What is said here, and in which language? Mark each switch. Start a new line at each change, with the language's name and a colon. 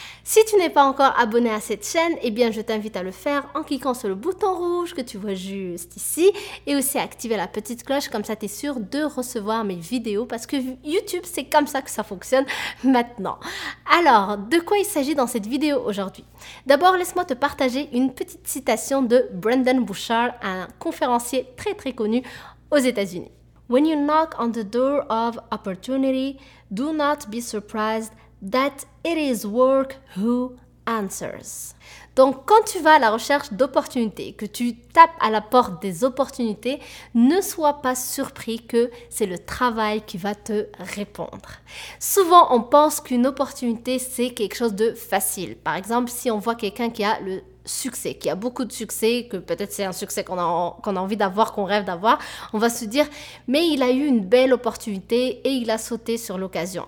French: Si tu n'es pas encore abonné à cette chaîne, eh bien je t'invite à le faire en cliquant sur le bouton rouge que tu vois juste ici et aussi activer la petite cloche, comme ça tu es sûr de recevoir mes vidéos parce que YouTube, c'est comme ça que ça fonctionne maintenant. Alors, de quoi il s'agit dans cette vidéo aujourd'hui? D'abord, laisse-moi te partager une petite citation de Brendan Burchard, un conférencier très très connu aux États-Unis.
English: When you knock on the door of opportunity, do not be surprised that it is work who answers.
French: Donc, quand tu vas à la recherche d'opportunités, que tu tapes à la porte des opportunités, ne sois pas surpris que c'est le travail qui va te répondre. Souvent, on pense qu'une opportunité, c'est quelque chose de facile. Par exemple, si on voit quelqu'un qui a le succès, qui a beaucoup de succès, que peut-être c'est un succès qu'on a envie d'avoir, qu'on rêve d'avoir, on va se dire, mais il a eu une belle opportunité et il a sauté sur l'occasion.